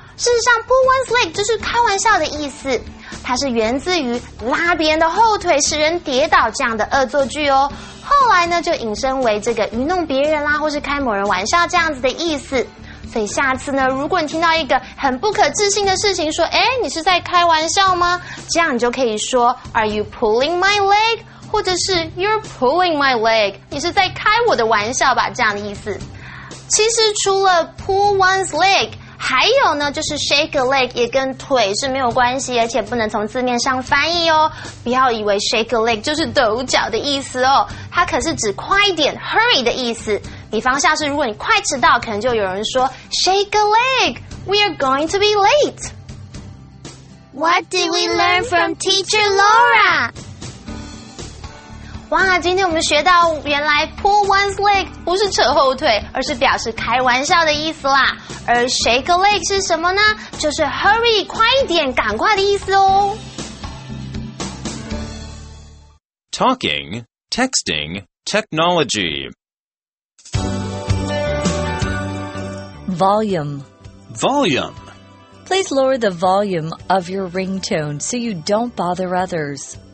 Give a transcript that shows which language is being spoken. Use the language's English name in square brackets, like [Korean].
[Chinese] 事实上 ， [English] pull one's leg [Chinese] 就是开玩笑的意思，它是源自于拉别人的后腿使人跌倒这样的恶作剧哦。后来呢，就引申为这个愚弄别人啦，或是开某人玩笑这样子的意思。所以下次呢，如果你听到一个很不可置信的事情，说，哎，你是在开玩笑吗？这样你就可以说 ， [English] Are you pulling my leg？ [Chinese] 或者是 [English] You're pulling my leg？ [Chinese] 你是在开我的玩笑吧？这样的意思。其实除了 [English] pull one's leg， [Chinese] 还有呢，就是 [English] shake a leg， [Chinese] 也跟腿是没有关系，而且不能从字面上翻译哦。不要以为 [English] shake a leg [Chinese] 就是抖脚的意思哦，它可是指快点 ，hurry 的意思。比方像是如果你快迟到，可能就有人说 [English] Shake a leg, we are going to be late. What did we learn from teacher Laura? [Chinese] 哇，今天我们学到原来 [English] pull one's leg [Chinese] 不是扯后腿，而是表示开玩笑的意思啦。而 shake a leg 是什么呢？就是 hurry, 快一点，赶快的意思哦。 [English] Talking, texting, technology. Volume. Volume. Please lower the volume of your ringtone so you don't bother others.